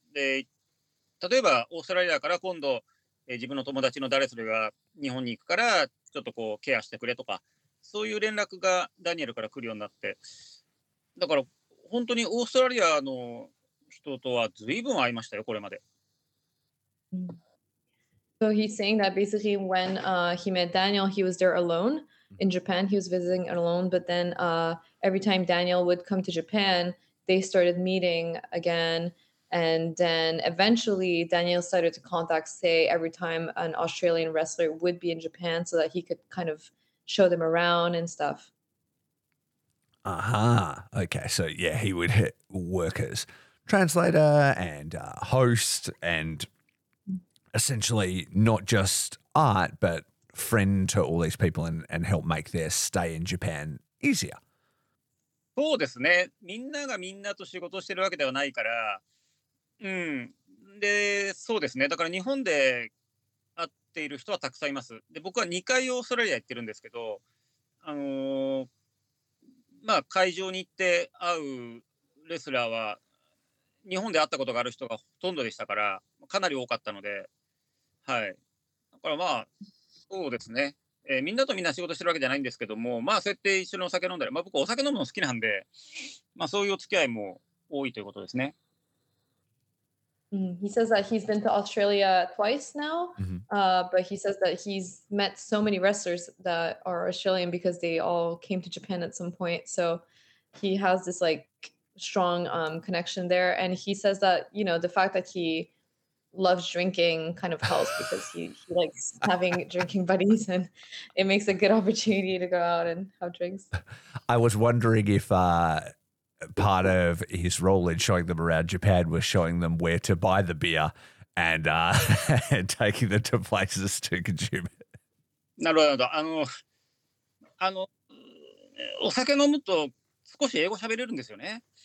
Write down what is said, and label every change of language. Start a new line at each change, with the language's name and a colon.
Japanese: で例えばオーストラリアから今度、自分の友達の誰それが日本に行くからちょっとこうケアしてくれとか、そういう連絡がダニエルから来るようになって、だから本当にオーストラリアの人とは随分会いましたよこれまで。
English: So he's saying that basically when he met Daniel, he was there alone in Japan. He was visiting alone. But then every time Daniel would come to Japan, they started meeting again. And then eventually Daniel started to contact Say every time an Australian wrestler would be in Japan so that he could kind of show them around and stuff. Aha. Uh-huh. Okay. So yeah, he would hit workers, translator and host and essentially not just art, but friend to all these people and help make their stay in Japan easier.
Japanese: そうですね。みんながみんなと仕事してるわけではないから、うん。で、そうですね。だから日本で会っている人はたくさんいます。で、僕は2回オーストラリア行ってるんですけど、まあ会場に行って会うレスラーは日本で会ったことがある人がほとんどでしたから、かなり多かったので、はい。だからまあそうですね、みんなとみんな仕事してるわけじゃないんですけども、まあそうやって一緒にお酒飲んだり、まあ僕お酒飲むの好きなんで、まあそういうお付き合いも多いということですね。
English: He says that he's been to Australia twice now, but he says that he's met so many wrestlers that are Australian because they all came to Japan at some point, so he has this like strong connection there. And he says that, you know, the fact that he loves drinking kind of helps because he likes having drinking buddies, and it makes a good opportunity to go out and have drinks. I was wondering if part of his role in showing them around Japan was showing them where to buy the beer and and taking them to places to consume it.
Japanese: なるほど。あのお酒飲むと少し英語喋れるんですよね。